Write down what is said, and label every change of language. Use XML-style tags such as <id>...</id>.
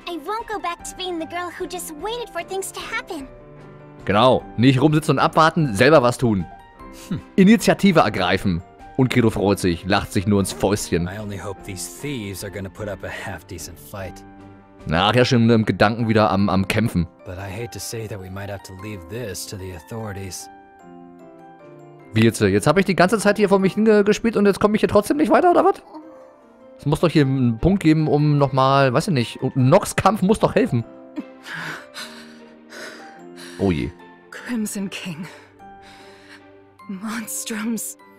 <en>I won't go back to being the girl who just waited for things to happen.</en> <de>Genau, nicht rumsitzen und abwarten, selber was tun. Initiative ergreifen. Und Kiro freut sich, lacht sich nur ins Fäustchen.</de> <en>I only hope these thieves are gonna put up a half-decent fight.</en> <de>Nachher schon im Gedanken wieder am Kämpfen.</de> <en>But I hate to say that we might have to leave this to the authorities.</en> <de>Wie jetzt habe ich die ganze Zeit hier vor mich hingespielt und jetzt komme ich hier trotzdem nicht weiter, oder was? Es muss doch hier einen Punkt geben, um nochmal, weiß ich nicht, Nox Kampf muss doch helfen. Oh je.</de> <en>Crimson King. Monstrums.</en>